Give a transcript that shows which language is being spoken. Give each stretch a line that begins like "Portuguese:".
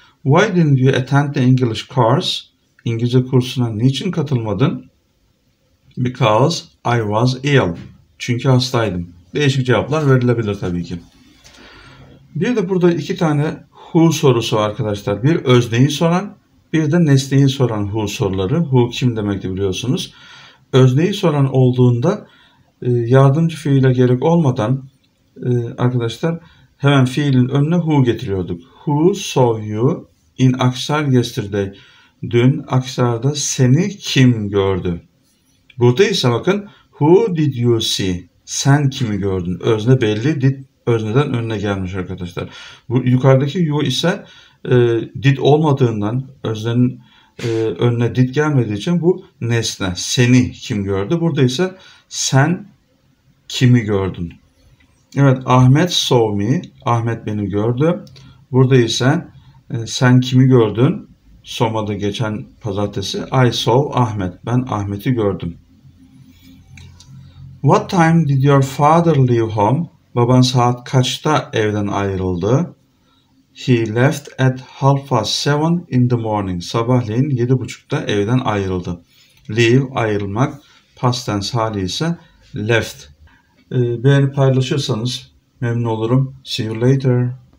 English: Why didn't you attend the English course?
Turkish: İngilizce kursuna niçin katılmadın?
English: Because I was ill.
Turkish: Çünkü hastaydım. Değişik cevaplar verilebilir tabii ki. Bir de burada iki tane who sorusu arkadaşlar. Bir özneyi soran, bir de nesneyi soran who soruları. Who kim demekti biliyorsunuz. Özneyi soran olduğunda yardımcı fiile gerek olmadan arkadaşlar hemen fiilin önüne who getiriyorduk.
English: Who saw you in Aksar yesterday?
Turkish: Dün Aksar'da seni kim gördü? Burada ise bakın
English: who did you see?
Turkish: Sen kimi gördün? Özne belli, did özneden önüne gelmiş arkadaşlar. Bu yukarıdaki you ise did olmadığından, öznenin önüne did gelmediği için bu nesne. Seni kim gördü? Burada ise sen kimi gördün? Evet,
English: Ahmet saw me.
Turkish: Ahmet beni gördü. Burada ise sen kimi gördün? Soma'da geçen pazartesi.
English: I saw Ahmet.
Turkish: Ben Ahmet'i gördüm.
English: What time did your father leave home?
Turkish: Baban saat kaçta evden ayrıldı?
English: He left at 7:30 in the morning.
Turkish: Sabahleyin 7:30'da evden ayrıldı. Leave, ayrılmak. Past tense hali ise left. Beğeni paylaşırsanız memnun olurum.
English: See you later.